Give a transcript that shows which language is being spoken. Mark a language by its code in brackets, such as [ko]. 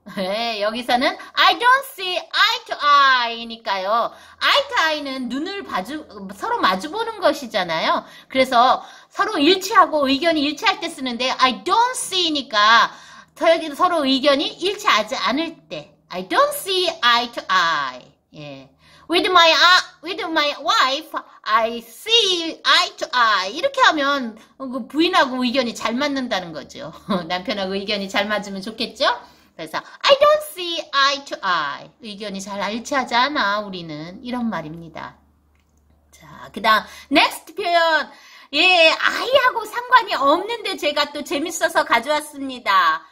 [ko] 네, 여기서는 [en] I don't see eye to eye니까요. [ko] Eye to eye는 눈을 서로 마주보는 것이잖아요. 그래서 서로 일치하고 의견이 일치할 때 쓰는데, [en] I don't see [ko] 니까 서로 의견이 일치하지 않을 때. [en] I don't see eye to eye. 예. With my wife, I see eye to eye. [ko] 이렇게 하면 부인하고 의견이 잘 맞는다는 거죠. 남편하고 의견이 잘 맞으면 좋겠죠? 그래서 [en] I don't see eye to eye. [ko] 의견이 잘 일치하지 않아, 우리는. 이런 말입니다. 자, 그다음 next 표현. 예, 아이하고 상관이 없는데 제가 또 재밌어서 가져왔습니다.